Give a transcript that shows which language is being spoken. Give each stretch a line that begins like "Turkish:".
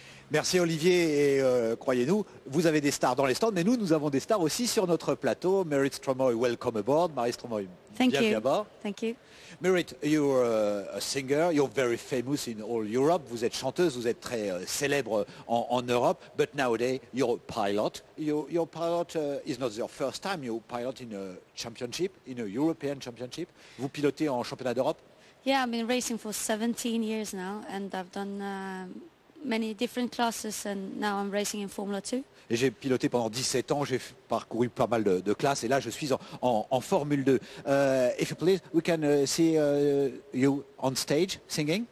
French: Merci Olivier et croyez-nous, vous avez des stars dans les stands, mais nous avons des stars aussi sur notre plateau. Merit Stromoy,
English: welcome aboard.
French: Marie Stromoy, bienvenue à bord.
English: Thank you. Merit, you're a singer, you're very famous in all Europe.
French: Vous êtes chanteuse, vous êtes très célèbre en Europe.
English: But nowadays, you're a pilot. Your pilot is not your first time. You pilot in a championship, in a European championship.
French: Vous pilotez en championnat d'Europe.
English: Yeah, I've been racing for 17 years now, and I've done many different classes, and now I'm racing in Formula 2.
French: Et j'ai piloté pendant 17 ans, j'ai parcouru pas mal de classes et là je suis en Formule 2.
English: If you please, we can see you on stage singing.